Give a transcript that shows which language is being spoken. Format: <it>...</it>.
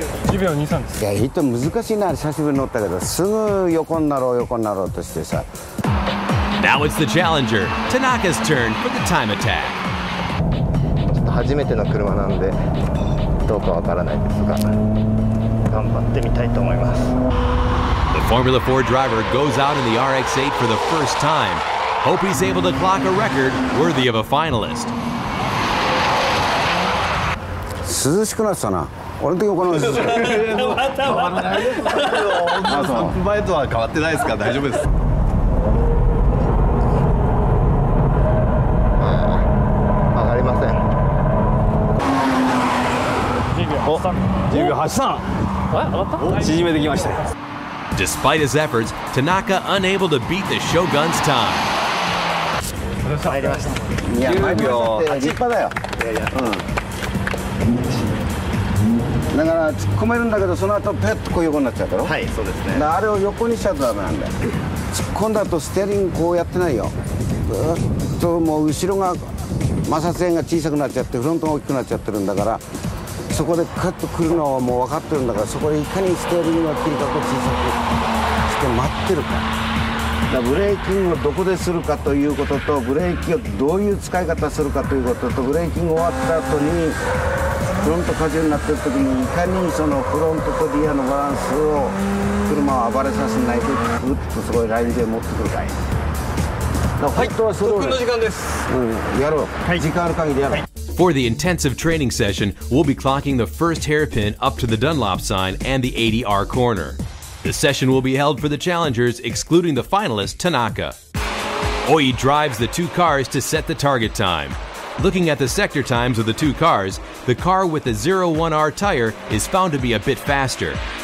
<ja>いや、ヒット難しいな、久しぶりに乗ったけど、すぐ横になろう、横になろうとしてさ。</ja> <en>Now it's the challenger, Tanaka's turn for the time attack.</en> <ja>ちょっと初めての車なんで、どうかわからないですが、頑張ってみたいと思います。</ja> <en>The Formula 4 driver goes out in the RX-8 for the first time. Hope he's able to clock a record worthy of a finalist.</en> <ja>涼しくなったな。俺の時行うんですよ。まだまだ。前とは変わってないですから大丈夫です。上がりません。 10秒83。縮めてきました。</ja> <en>Despite his efforts, Tanaka unable to beat the Shogun's time.</en> <ja>入りました。 10秒立派だよ。だから突っ込めるんだけど、その後ペッとこう横になっちゃうだろ。はい、そうですね。だからあれを横にしちゃうとダメなんだよ。突っ込んだとステアリングこうやってないよ。ずっともう後ろが摩擦線が小さくなっちゃって、フロントが大きくなっちゃってるんだから、そこでカッと来るのはもう分かってるんだから、そこでいかにステアリングの切り方を小さくして待ってるか。だからブレーキングをどこでするかということと、ブレーキをどういう使い方するかということと、ブレーキング終わった後にフロント荷重になっている時に、いかにそのフロントとリアのバランスを車を暴れさせないで、グッとすごいラインで持ってくるかい。だから本当はそれを、はい、特訓の時間です。やろう。はい、時間ある限りやろう。はい、</ja> <en>For the intensive training session, we'll be clocking the first hairpin up to the Dunlop sign and the 80R corner. The session will be held for the challengers, excluding the finalist Tanaka. Oi drives the two cars to set the target time. Looking at the sector times of the two cars, the car with the 01R tire is found to be a bit faster.</en>